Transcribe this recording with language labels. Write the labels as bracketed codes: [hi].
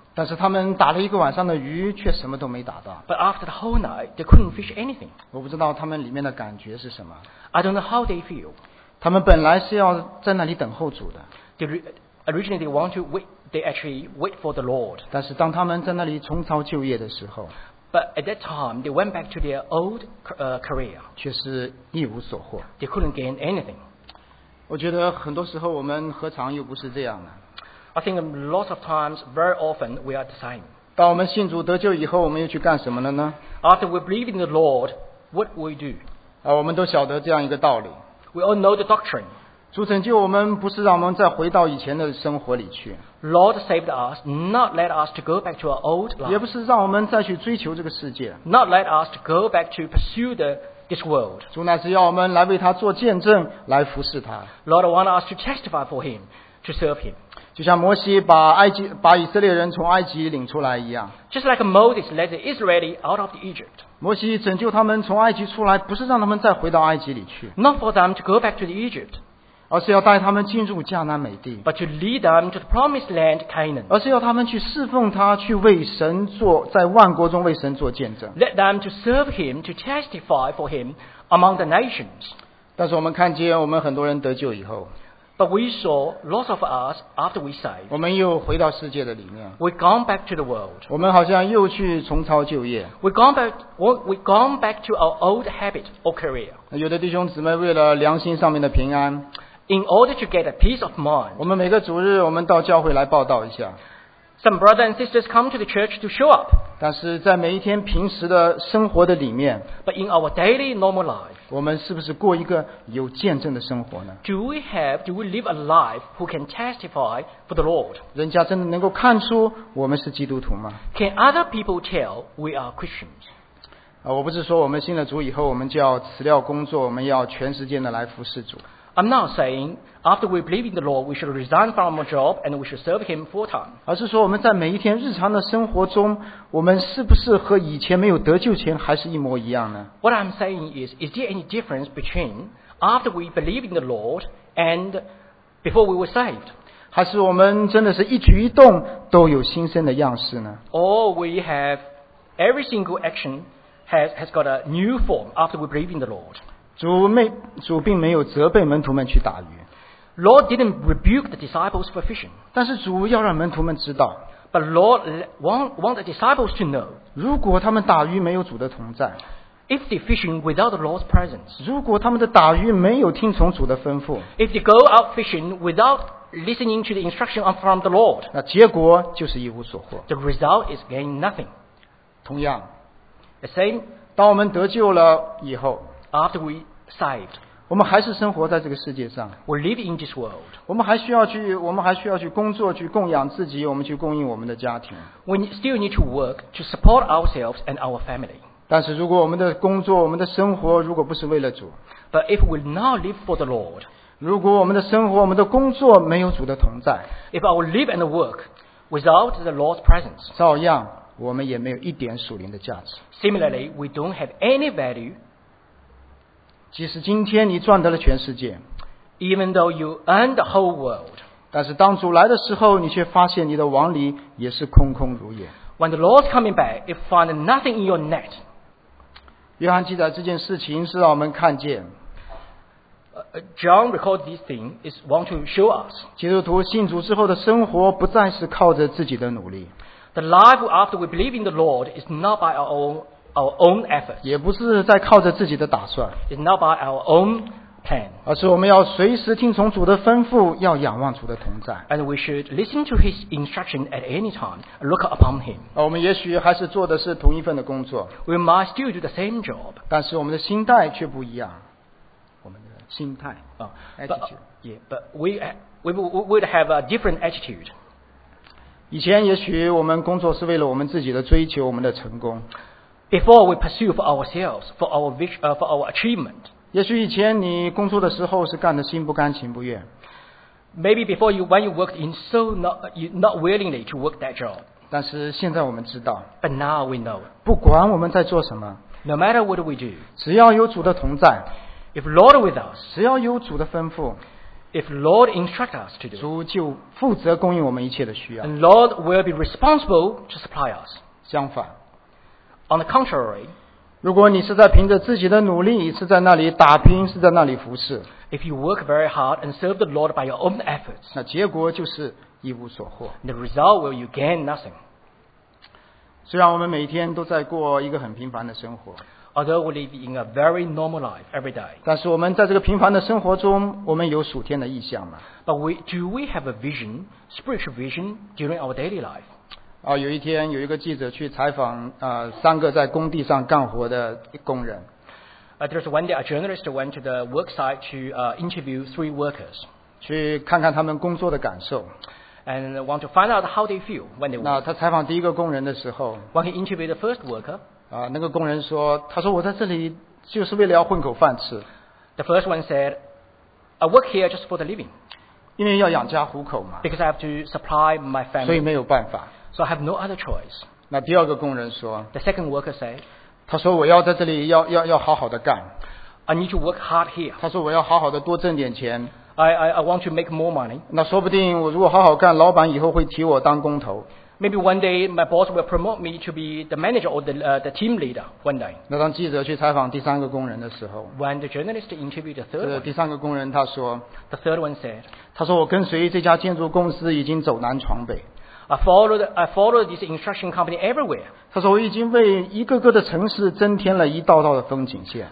[zh] 但是他们打了一个晚上的鱼，却什么都没打到。 [en] But after the whole night, they couldn't fish anything. [zh] 我不知道他们里面的感觉是什么。 [en] I don't know how they feel. [zh] 他们本来是要在那里等候主的。 [en] Originally, they want to wait, they actually wait for the Lord. [zh] 但是当他们在那里重操旧业的时候， [en] but at that time they went back to their old career. [zh] 却是一无所获。 [en] They couldn't gain anything. [zh] 我觉得很多时候我们何尝又不是这样呢？ [en] I think lots of times, very often, we are the same. [zh] 当我们信主得救以后，我们又去干什么了呢？ [en] After we believe in the Lord, what we do? [zh] 啊，我们都晓得这样一个道理。 [en] We all know the doctrine. [zh] 主拯救我们不是让我们再回到以前的生活里去。 [en] Lord saved us, not let us to go back to our old life. [zh] 也不是让我们再去追求这个世界。 [en] Not let us to go back to pursue this world. [zh] 主乃是要我们来为他做见证，来服侍他。 [en] Lord want us to testify for him, to serve him. [zh] 就像摩西把埃及把以色列人从埃及领出来一样。 [en] Just like Moses led the Israelites out of Egypt. [zh] 摩西拯救他们从埃及出来，不是让他们再回到埃及里去。 [en] Not for them to go back to the Egypt. [zh] 而是要带他们进入迦南美地。 [en] But to lead them to the promised land, Canaan. [zh] 而是要他们去侍奉他，去为神做，在万国中为神做见证。 [en] Let them to serve him, to testify for him among the nations. [zh] 但是我们看见我们很多人得救以后。 [en] But we saw lots of us after we saved. [zh] 我们又回到世界的里面。 [en] We gone back to the world. [zh] 我们好像又去重操旧业。 [en] We gone back to our old habit or career. [zh] 有的弟兄姊妹为了良心上面的平安。 [en] In order to get a peace of mind. [zh] 我们每个主日我们到教会来报道一下。 [en] Some brothers and sisters come to the church to show up. [zh] 但是在每一天平时的生活的里面。 [en] But in our daily normal life. [zh] 我们是不是过一个有见证的生活呢？ [en] Do we live a life who can testify for the Lord? [zh] 人家真的能够看出我们是基督徒吗？ [en] Can other people tell we are Christians? [zh] 我不是说我们信了主以后我们就要辞掉工作，我们要全时间的来服侍主。 [en] I'm not saying after we believe in the Lord we should resign from our job and we should serve him full time. [zh] 而是说我们在每一天日常的生活中，我们是不是和以前没有得救前还是一模一样呢？ [en] What I'm saying is there any difference between after we believe in the Lord and before we were saved? [zh] 还是我们真的是一举一动都有新生的样式呢？ [en] Or we have every single action has got a new form after we believe in the Lord. [zh] 主并没有责备门徒们去打鱼。 [en] Lord didn't rebuke the disciples for fishing. [zh] 但是主要让门徒们知道。 [en] But Lord want the disciples to know. [zh] 如果他们打鱼没有主的同在。 [en] If they fishing without the Lord's presence. [zh] 如果他们的打鱼没有听从主的吩咐。 [en] If they go out fishing without listening to the instruction from the Lord. [zh] 那结果就是一无所获。 [en] The result is gain nothing. [zh] 同样。 [en] The same. [zh] 当我们得救了以后。 [en] After we saved. [zh] 我们还是生活在这个世界上。 [en] We live in this world. [zh] 我们还需要去工作，去供养自己，我们去供应我们的家庭。 [en] We still need to work to support ourselves and our family. [zh] 但是如果我们的工作，我们的生活如果不是为了主。 [en] But if we not live for the Lord. [zh] 如果我们的生活，我们的工作没有主的同在。 [en] If our live and work without the Lord's presence. [zh] 照样，我们也没有一点属灵的价值。 [en] Similarly, we don't have any value. [zh] 即使今天你赚得了全世界， [en] Even though you earn the whole world， [zh] 但是当主来的时候，你却发现你的网里也是空空如也。 [en] When the Lord's coming back, you find nothing in your net。 [zh] 约翰记载这件事情是让我们看见。 [en] John records this thing is want to show us。 [zh] 基督徒信主之后的生活不再是靠着自己的努力。 [en] The life after we believe in the Lord is not by our own effort, [zh] 也不是在靠着自己的打算。 [en] It's not by our own plan. [zh] 而是我们要随时听从主的吩咐，要仰望主的同在。 [en] And we should listen to his instruction at any time, look upon him. [zh] 我们也许还是做的是同一份的工作。 [en] We might still do the same job. [zh] 但是我们的心态却不一样。我们的心态。 [en] But we would have a different attitude. [zh] 以前也许我们工作是为了我们自己的追求，我们的成功。 [en] Before we pursue for ourselves, for our achievement. [zh] 也许以前你工作的时候是干得心不甘情不愿。 [en] Maybe before you, when you worked in so not willingly to work that job. [zh] 但是现在我们知道。 [en] But now we know. [zh] 不管我们在做什么。 [en] No matter what we do. [zh] 只要有主的同在。 [en] If Lord with us. [zh] 只要有主的吩咐。 [en] If Lord instruct us to do. [zh] 主就负责供应我们一切的需要。 [en] And Lord will be responsible to supply us. [zh] 相反。 [en] On the contrary, [zh] 如果你是在凭着自己的努力，是在那里打拼，是在那里服侍。 [en] if you work very hard and serve the Lord by your own efforts, [zh] 那结果就是一无所获。 [en] The result will you gain nothing. [zh] 虽然我们每天都在过一个很平凡的生活。 [en] Although we live in a very normal life every day. [zh] 但是我们在这个平凡的生活中，我们有属天的意象吗？ [en] But do we have a vision, spiritual vision during our daily life? [zh] 有一天有一个记者去采访三个在工地上干活的工人。 [en] There's one day a journalist went to the work site to interview three workers. [zh] 去看看他们工作的感受。 [en] And want to find out how they feel when they work. [zh] 那他采访第一个工人的时候。 [en] When he interviewed the first worker. [zh] 那个工人说，他说我在这里就是为了要混口饭吃。 [en] The first one said, I work here just for the living. [zh] 因为要养家糊口嘛。 [en] Because I have to supply my family. [zh] 所以没有办法。 [en] So I have no other choice. [zh] 那第二个工人说。 [en] The second worker said, [zh] 他说我要在这里要好好的干。 [en] I need to work hard here. [zh] 他说我要好好的多挣点钱。 [en] I want to make more money. [zh] 那说不定我如果好好干，老板以后会提我当工头。 [en] Maybe one day my boss will promote me to be the manager or the team leader one day. [zh] 那当记者去采访第三个工人的时候。 [en] When the journalist interviewed the third one. [zh] 第三个工人他说。 [en] The third one said. [zh] 他说我跟随这家建筑公司已经走南闯北。 [en] I followed this construction company everywhere. [zh] 他说我已经为一个个的城市增添了一道道的风景线。